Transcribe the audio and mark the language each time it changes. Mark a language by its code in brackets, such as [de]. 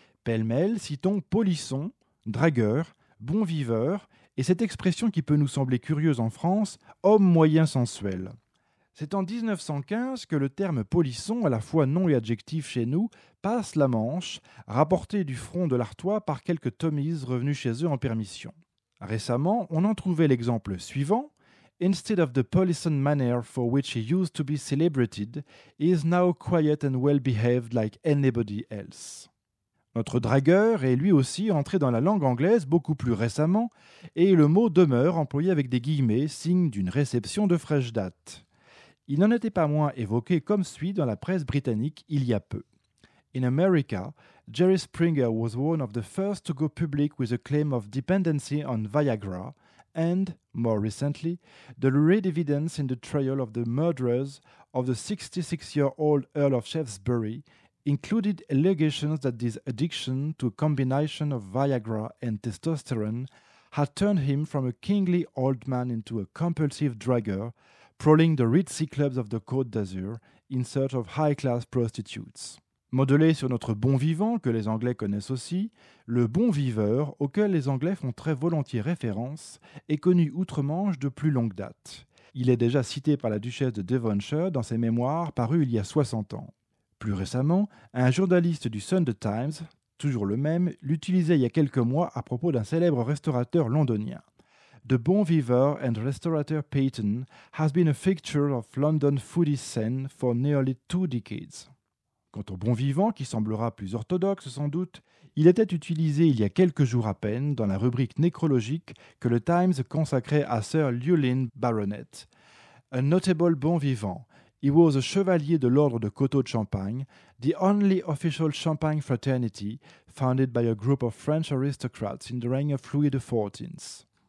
[fr] Pêle-mêle, citons polisson, dragueur, bon viveur et cette expression qui peut nous sembler curieuse en France, homme moyen sensuel. C'est en 1915 que le terme polisson, à la fois nom et adjectif chez nous, passe la Manche, rapporté du front de l'Artois par quelques Tommies revenus chez eux en permission. Récemment, on en trouvait l'exemple suivant. [en] Instead of the polisson manner for which he used to be celebrated, he is now quiet and well-behaved like anybody else. [fr] Notre dragueur est lui aussi entré dans la langue anglaise beaucoup plus récemment et le mot demeure employé avec des guillemets, signe d'une réception de fraîche date. Il n'en était pas moins évoqué comme suit dans la presse britannique il y a peu. [en] In America, Jerry Springer was one of the first to go public with a claim of dependency on Viagra and, more recently, the lurid evidence in the trial of the murderers of the 66-year-old Earl of Shaftesbury included allegations that this addiction to a combination of Viagra and testosterone had turned him from a kingly old man into a compulsive drugger, prowling the ritzy clubs of the Côte d'Azur in search of high-class prostitutes. [fr] Modelé sur notre bon vivant, que les Anglais connaissent aussi, le bon viveur, auquel les Anglais font très volontiers référence, est connu outre-Manche de plus longue date. Il est déjà cité par la duchesse de Devonshire dans ses mémoires parues il y a 60 ans. Plus récemment, un journaliste du Sunday Times, toujours le même, l'utilisait il y a quelques mois à propos d'un célèbre restaurateur londonien. [en] The bon viveur and restaurateur Peyton has been a fixture of London foodie scene for nearly two decades. [fr] Quant au bon vivant, qui semblera plus orthodoxe sans doute, il était utilisé il y a quelques jours à peine dans la rubrique nécrologique que le Times consacrait à Sir Llewellyn Baronet. [en] A notable bon vivant, he was a chevalier de l'ordre de Coteaux de Champagne, the only official Champagne fraternity founded by a group of French aristocrats in the reign of Louis XIV.